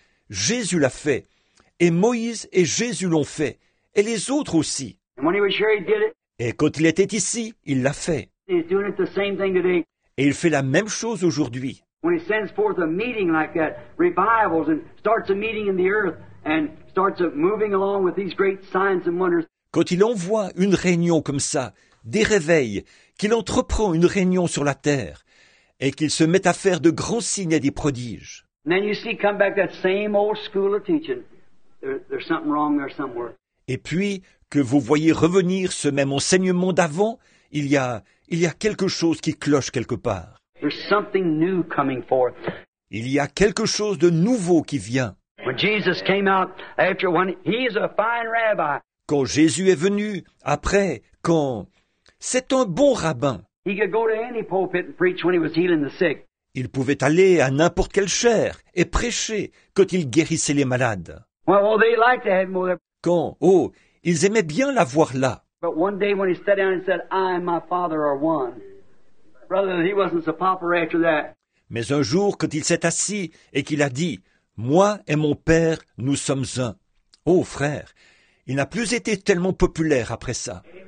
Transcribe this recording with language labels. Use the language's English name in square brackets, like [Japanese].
[French] Jésus l'a fait, et Moïse et Jésus l'ont fait, et les autres aussi. Et quand il était ici, il l'a fait. Et il fait la même chose aujourd'hui. [English] When he sends forth a meeting like that, revivals, and starts a meeting in the earth, and starts moving along with these great signs and wonders. [French] Quand il envoie une réunion comme ça, des réveils, qu'il entreprend une réunion sur la terre, et qu'il se met à faire de grands signes et des prodiges. [English] And then you see, come back that same old school of teaching. There's something wrong there somewhere. [French] Et puis que vous voyez revenir ce même enseignement d'avant, il y a quelque chose qui cloche quelque part. [English] There's something new coming forth. [French] Il y a quelque chose de nouveau qui vient. [English] When Jesus came out after one, he is a fine rabbi. [French] Quand Jésus est venu, après, quand... C'est un bon rabbin. [English] He could go to any pulpit and preach when he was healing the sick. [French] Il pouvait aller à n'importe quelle chaire et prêcher quand il guérissait les malades. [English] Well, they liked to have him there. [French] Quand, oh, ils aimaient bien l'avoir là. [English] But one day when he sat down and said, I and my father are one. Brother, he wasn't so popular after that. [French] Mais un jour, quand il s'est assis et qu'il a dit, moi et mon père, nous sommes un. Oh, frère, il n'a plus été tellement populaire après ça.